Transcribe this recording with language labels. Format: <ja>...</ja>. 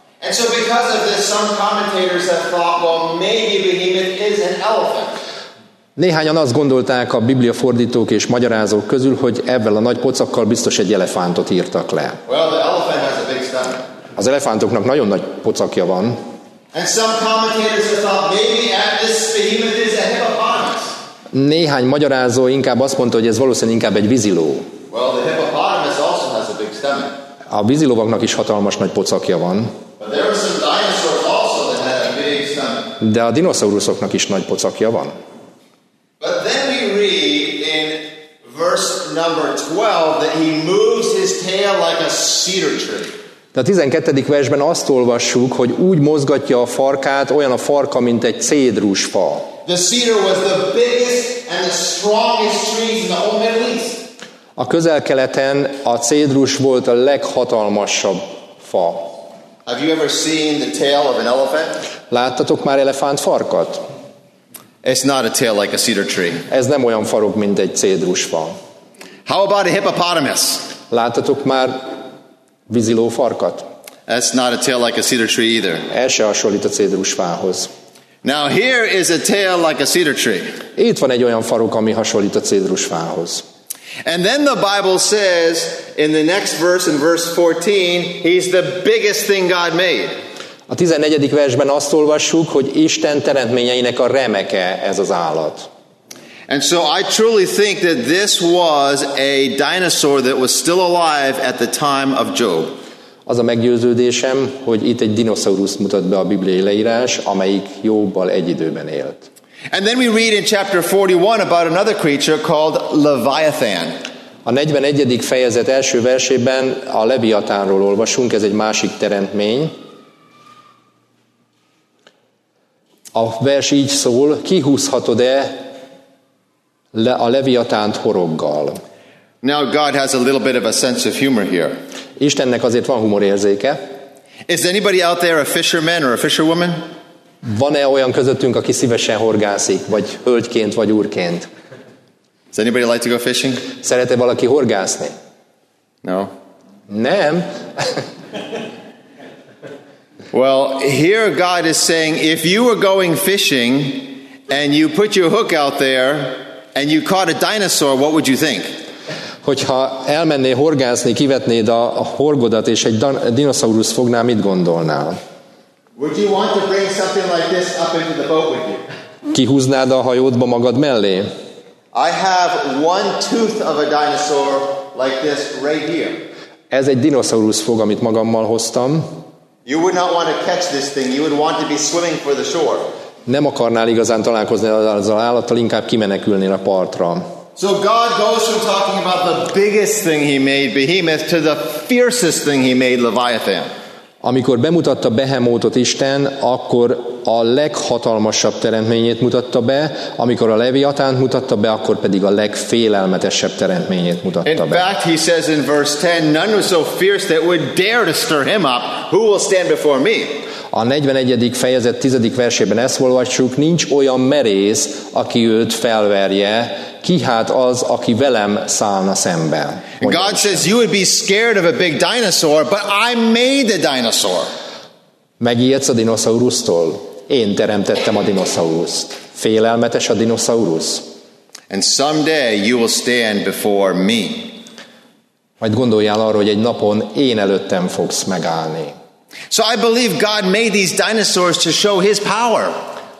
<en>And so because of this, some commentators have thought, well, maybe behemoth is an elephant.</en> <hu>Néhányan azt gondolták a biblia fordítók és magyarázók közül, hogy ebből a nagy pocakkal biztos egy elefántot írtak le.</hu> <en>Well, the elephant has a big stomach.</en> <hu>Az elefántoknak nagyon nagy pocakja van.</hu> <en>And some commentators have thought, maybe at this behemoth is a hippopotamus.</en> <hu>Néhány magyarázó inkább azt mondta, hogy ez valószínűleg inkább egy víziló.</hu> <en>Well, the hippopotamus also has a big stomach.</en> <hu>A vízilovaknak is hatalmas nagy pocakja van.</hu> <en>But there were some dinosaurs also that had a big stomach.</en> <hu>De a dinoszauruszoknak is nagy pocakja van.</hu> <en>But then we read in verse number 12 that he moves his tail like a cedar tree.</en> <hu>De a 12. versben azt olvassuk, hogy úgy mozgatja a farkát, olyan a farka, mint egy cédrus fa.</hu> <en>The cedar was the biggest and the strongest trees in the whole Middle East.</en> <hu>A Közel-Keleten a cédrus volt a leghatalmasabb fa.</hu> <en>Have you ever seen the tail of an elephant?</en> <hu>Láttatok már elefánt farkat?</hu> <en>It's not a tail like a cedar tree.</en> <hu>Ez nem olyan farok, mint egy cédrus fa.</hu> <en>How about a hippopotamus?</en> <hu>Láttatok már víziló farkat?</hu> <en>It's not a tail like a cedar tree either.</en> <hu>Ez se hasonlít a cédrus fához.</hu> <en>Now here is a tail like a cedar tree.</en> <hu>Itt van egy olyan farok, ami hasonlít a cédrus fához.</hu> <en>And then the Bible says in the next verse, in verse 14, he's the biggest thing God made.</en> <hu>A 14. versben azt olvassuk, hogy Isten teremtményeinek a remeke ez az állat.</hu> <en>And so I truly think that this was a dinosaur that was still alive at the time of Job.</en> <hu>Az a meggyőződésem, hogy itt egy dinoszauruszt mutat be a bibliai leírás, amelyik Jobbal egy időben élt.</hu> <en>And then we read in chapter 41 about another creature called Leviathan.</en> <hu>A 41. fejezet első versében a Leviatánról olvasunk, ez egy másik teremtmény. A vers így szól, kihúzhatod-e a Leviatánt horoggal?</hu> <en>Now God has a little bit of a sense of humor here.</en> <hu>Istennek azért van humorérzéke.</hu> <en>Is anybody out there a fisherman or a fisherwoman?</en> <hu>Van-e olyan közöttünk, aki szívesen horgászik, vagy hölgyként, vagy úrként?</hu> <en>Does anybody like to go fishing?</en> <hu>Szeret-e valaki horgászni?</hu> <en>No.</en> <hu>Nem.</hu> <en>Well, here God is saying, if you were going fishing and you put your hook out there and you caught a dinosaur, what would you think?</en> <hu>Hogyha elmennél horgászni, kivetnéd a horgodat és egy dinoszaurusz fognál, mit gondolnál?</hu> <en>Would you want to bring something like this up into the boat with you?</en> <hu>Kihúznád a hajódba magad mellé?</hu> <en>I have one tooth of a dinosaur like this right here.</en> <hu>Ez egy dinoszaurusz fog, amit magammal hoztam.</hu> <en>You would not want to catch this thing. You would want to be swimming for the shore.</en> <hu>Nem akarnál igazán találkozni azzal állattal, inkább kimenekülnél a partra.</hu> <en>So God goes from talking about the biggest thing he made, behemoth, to the fiercest thing he made, Leviathan.</en> <hu>Amikor bemutatta Behemótot Isten, akkor a leghatalmasabb teremtményét mutatta be, amikor a Leviatánt mutatta be, akkor pedig a legfélelmetesebb teremtményét mutatta in be.</hu> <en>In fact, he says in verse 10, none was so fierce that would dare to stir him up. Who will stand before me?</en> <hu>A 41. fejezet 10. versében ezt olvassuk, nincs olyan merész, aki őt felverje, ki hát az, aki velem szállna szembe.</hu> <en>God says you would be scared of a big dinosaur, but I made the dinosaur.</en> <hu>Megijedsz a dinoszaurusztól? Én teremtettem a dinoszauruszt. Félelmetes a dinoszaurusz?</hu> <en>And someday you will stand before me.</en> <hu>Majd gondoljál arra, hogy egy napon én előttem fogsz megállni.</hu> <en>So I believe God made these dinosaurs to show his power.</en>